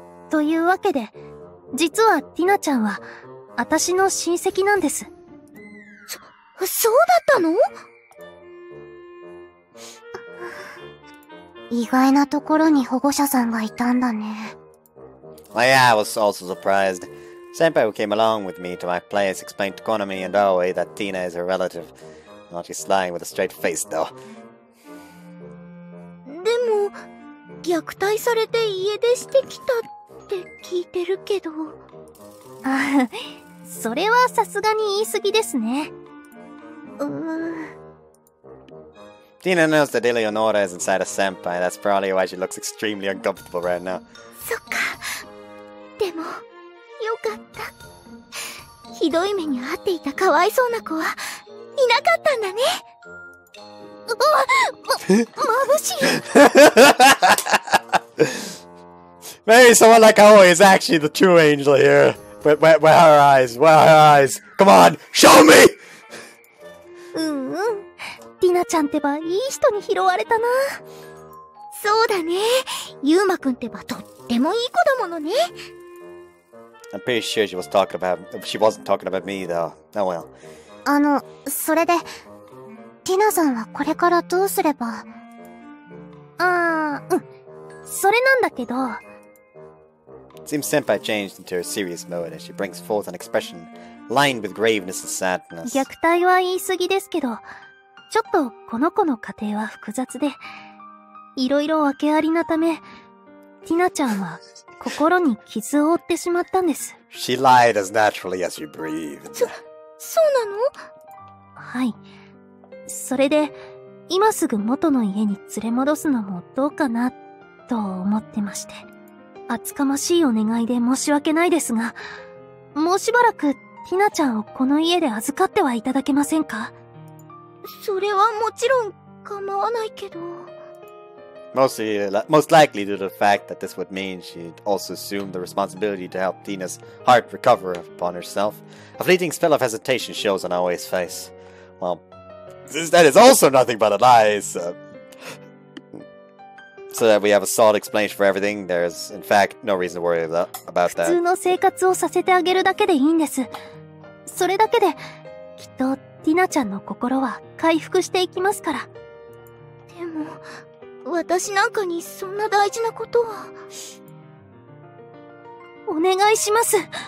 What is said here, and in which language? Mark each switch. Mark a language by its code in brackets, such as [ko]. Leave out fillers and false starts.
[ja] というわけで、実はティナちゃんは私の親戚なんです。そうだったの? 意外なところに保護者さんがいたんだね。 [en] Well, yeah, I was also surprised. Senpai who came along with me to my place explained to Konami and Aoi that Tina is her relative. Not just lying with a straight face, though. [ja] でも、虐待されて家出してきたって。聞いてるけど、それはさすがに言い過ぎですね。 [en] Tina knows that Eleonora is inside a senpai. That's probably why she looks extremely uncomfortable right now. [ja] そっか。でもよかった。ひどい目に遭っていたかわいそうな子はいなかったんだね。まぶしい。 [en] Maybe someone like Aoi is actually the true angel here. Where are her eyes? Where are her eyes? Come on, show me! [ja] ティナちゃんってばいい人に拾われたな。そうだね。ユウマくんってばとってもいい子だものね。 [en] I'm pretty sure she was talking about she wasn't talking about me though. Oh well. [ja] あの、それでティナさんはこれからどうすれば。それなんだけど。 [en] Seems Senpai changed into a serious mode as she brings forth an expression lined with graveness and sadness. [ja] 虐待は言い過ぎですけど、ちょっとこの子の家庭は複雑で、いろいろ訳ありなため、ティナちゃんは心に傷を負ってしまったんです。 [en] She lied as naturally as you breathed. [ja] そうなの？はい。それで、今すぐ元の家に連れ戻すのもどうかな、と思ってまして。厚かましいお願いで申し訳ないですが、もうしばらくティナちゃんをこの家で預かってはいただけませんか？それはもちろん構わないけど。 [en] Most likely due to the fact that this would mean she'd also assume the responsibility to help Tina's heart recover upon herself. A fleeting spell of hesitation shows on Aoi's face. Well, that is also nothing but a lie, so that we have a solid explanation for everything. There's, in fact, no reason to worry about that. [ja] 普通の生活をさせてあげるだけでいいんです。それだけで、きっとティナちゃんの心は回復していきますから。でも、私なんかにそんな大事なことは。お願いします。